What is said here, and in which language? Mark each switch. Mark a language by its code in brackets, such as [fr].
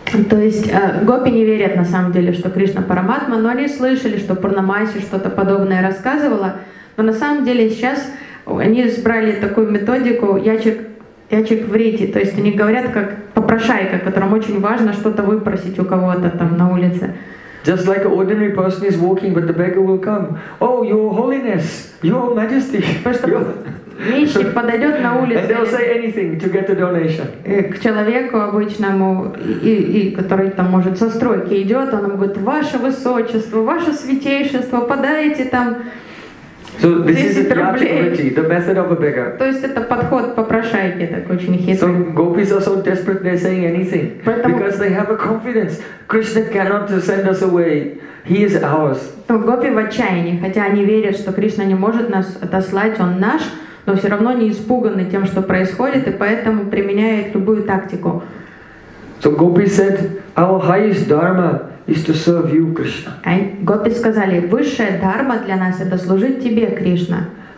[ru] То есть гопи не верят на самом деле, что Кришна Параматма, но они слышали, что Пурнамаси что-то подобное рассказывала. Но на самом деле сейчас они избрали такую методику ячек вриди. То есть они говорят как попрошайка, которым очень важно что-то выпросить у кого-то там на улице. [en] Just like an ordinary person is walking, but the beggar will come. Oh, your holiness, your majesty. [ru] Нищий подойдет на улицу к человеку обычному, и который там может со стройки идет, он ему говорит: ваше высочество, ваше святейшество, подайте там 10 рублей. [en] The method of a beggar. [ru] То есть это подход попрошайки, так очень хитрый. [en] So gopis are so desperate they're saying anything. [ru] Поэтому, [en] because they have a confidence. Krishna cannot send us away. He is ours. [ru] То гопи в отчаянии, хотя они верят, что Кришна не может нас отослать, он наш. Но все равно не испуганы тем, что происходит, и поэтому применяют любую тактику. [en] So Gopi said, our highest dharma is to serve you, Krishna. [ru] Гопи сказали, высшая дхарма для нас это служить тебе, Кришна.